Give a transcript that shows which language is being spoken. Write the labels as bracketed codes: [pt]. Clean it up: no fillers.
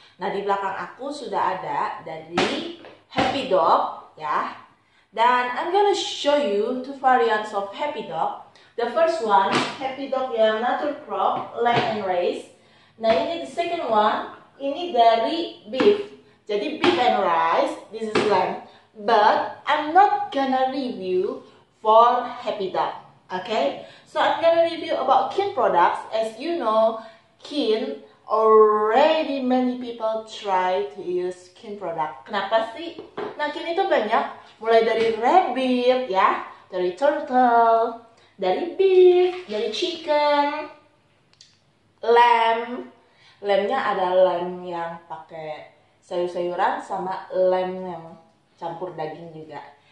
[id] Nah, di belakang aku sudah ada dari Happy Dog, ya. [en] Dan I'm gonna show you two variants of Happy Dog. The first one, Happy Dog yang natural crop, lab and raised. [id] Nah, ini the second one, ini dari beef. [en] Jadi beef and rice, this is lamb. But I'm not gonna review for Happy Dog, okay? So I'm gonna review about Kin products. As you know, Kin, already many people try to use Kin product. [id] Kenapa sih? Nah, Kin itu banyak, mulai dari rabbit, ya, dari turtle, dari beef, dari chicken, lamb. Lamnya ada lamb yang pakai sayur-sayuran sama lamb yang campur daging juga.